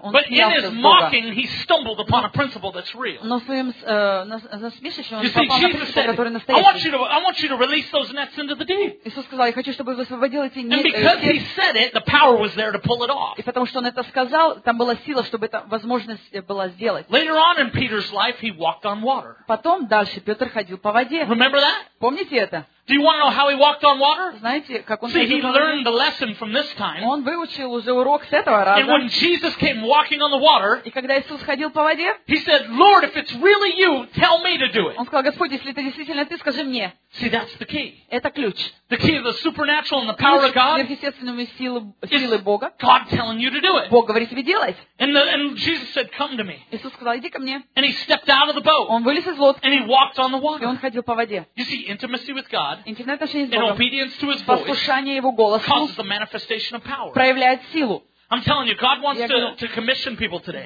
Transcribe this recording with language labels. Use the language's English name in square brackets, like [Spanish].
[English] But in his mocking, he stumbled upon a principle that's real. [Russian] Но своим насмешищем он попал на принцип, который настоящий. [English] I want you to release those nets into the deep. [Russian] Иисус сказал, я хочу, чтобы вы освободили эти нити. [English] And because he said it, the power was there to pull it off. [Russian] И потому что он это сказал, там была сила, чтобы это возможность была сделать. [English] Later on in Peter's life, he walked on water. [Russian] Потом дальше Петр ходил по воде. [English] Remember that? [Russian] Помните это? [English] Do you want to know how he walked on water? [Russian] Знаете, как он? [English] See, he learned the lesson from this time. [Russian] Он выучил уже урок с этого раза. [English] And when Jesus came walking on the water, [Russian] и когда Иисус ходил по воде, [English] he said, "Lord, if it's really you, tell me to do it." [Russian] Он сказал, Господи, если это действительно ты, скажи мне. [English] See, that's the key. [Russian] Это ключ. [English] The key of the supernatural and the power of God. [Russian] Сверхъестественной силы Бога. [English] God telling you to do it. [Russian] Бог говорит тебе делать. [English] And Jesus said, "Come to me." [Russian] Иисус сказал, иди ко мне. [English] And he stepped out of the boat. [Russian] Он вылез из лодки. [English] And he walked on the water. [Russian] И он ходил по воде. [English] You see, intimacy with God. [Russian] Интимное отношение с Богом, [English] obedience to his voice, [Russian] послушание Его голосу, [English] causes the manifestation of power. [Russian] Проявляет силу. [English] I'm telling you, God wants to commission people today.